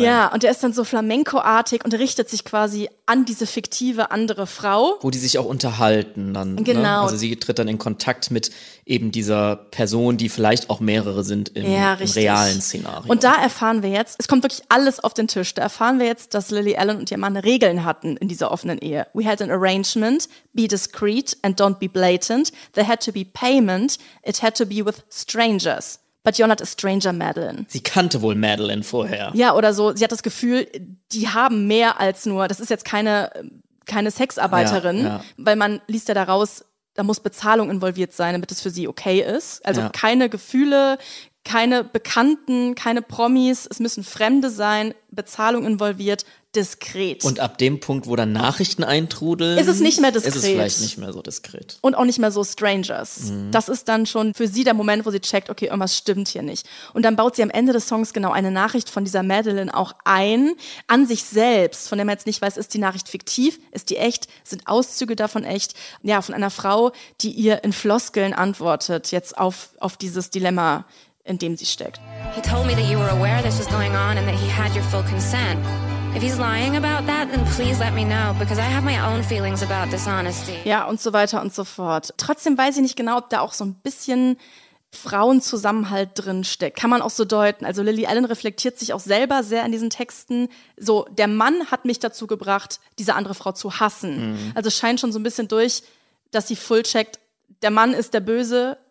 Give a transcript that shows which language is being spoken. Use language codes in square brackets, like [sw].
[de] Ja, und der ist dann so flamenco-artig und richtet sich quasi an diese fiktive andere Frau. Wo die sich auch unterhalten dann. Genau. Ne? Also sie tritt dann in Kontakt mit eben dieser Person, die vielleicht auch mehrere sind im realen Szenario. Und da erfahren wir jetzt, es kommt wirklich alles auf den Tisch, da erfahren wir jetzt, dass Lily Allen und ihr Mann Regeln hatten in dieser offenen Ehe. [en] We had an arrangement, be discreet and don't be blatant. There had to be payment, it had to be with strangers. But you're not a stranger, Madeline. [de] Sie kannte wohl Madeline vorher. Ja, oder so. Sie hat das Gefühl, die haben mehr als nur, das ist jetzt keine Sexarbeiterin, ja, ja. Weil man liest ja daraus, da muss Bezahlung involviert sein, damit es für sie okay ist. Also ja. Keine Gefühle, keine Bekannten, keine Promis, es müssen Fremde sein, Bezahlung involviert, diskret. Und ab dem Punkt, wo dann Nachrichten eintrudeln, ist es nicht mehr diskret. Ist es vielleicht nicht mehr so diskret. Und auch nicht mehr so Strangers. Mhm. Das ist dann schon für sie der Moment, wo sie checkt, okay, irgendwas stimmt hier nicht. Und dann baut sie am Ende des Songs genau eine Nachricht von dieser Madeline auch ein, an sich selbst, von der man jetzt nicht weiß, ist die Nachricht fiktiv, ist die echt, sind Auszüge davon echt, ja, von einer Frau, die ihr in Floskeln antwortet, jetzt auf dieses Dilemma, in dem sie steckt. [en] He told me that you were aware this was going on and that he had your full consent. If he's lying about that, then please let me know, because I have my own feelings about dishonesty. [de] Ja, und so weiter und so fort. Trotzdem weiß ich nicht genau, ob da auch so ein bisschen Frauenzusammenhalt drin steckt. Kann man auch so deuten. Also Lily Allen reflektiert sich auch selber sehr in diesen Texten. So, der Mann hat mich dazu gebracht, diese andere Frau zu hassen. Mhm. Also scheint schon so ein bisschen durch, dass sie full checkt, der Mann ist der Böse.